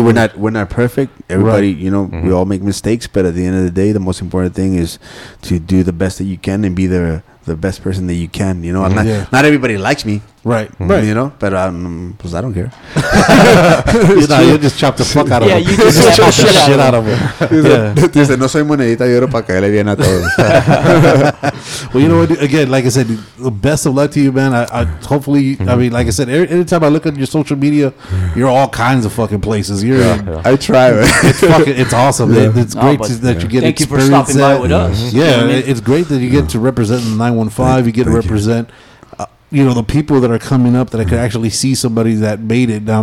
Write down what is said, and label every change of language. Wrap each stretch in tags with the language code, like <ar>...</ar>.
<en>Obviously we're not perfect. Everybody, right. You know, mm-hmm. we all make mistakes. But at the end of the day, the most important thing is to do the best that you can and be the best person that you can, you know. I'm not everybody likes me, right? Mm-hmm. Right, you know, but I don't care. You just chop the fuck out of him. Yeah, you just chop the shit out of him.</en> <es>Yeah, no soy monedita de oro para caerle bien a todos.</es> <en>Well, you know what, again, like I said, the best of luck to you, man. I hopefully, mm-hmm. I mean, like I said, anytime I look at your social media, you're all kinds of fucking places. You're I try, man. It's awesome, man. It's great that you get to experience that. Thank you for stopping by with us. Yeah, it's great that you get to represent 915. You get to represent the people that are coming up, that I could actually see somebody that made it.</en>